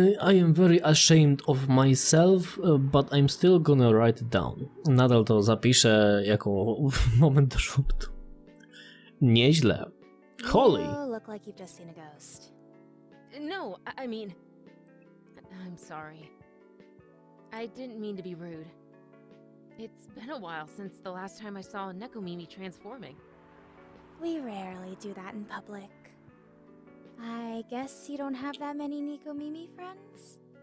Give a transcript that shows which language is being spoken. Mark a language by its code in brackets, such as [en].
[en] I am very ashamed of myself, but I'm still gonna write it down. [pl] Nadal to zapiszę jako moment do żartu. Nieźle. Holy. [en] You look like you've just seen a ghost. No, I mean, I'm sorry. I didn't mean to be rude. It's been a while since the last time I saw Nekomimi transforming. We rarely do that in public. I guess you don't have that many Nekomimi friends?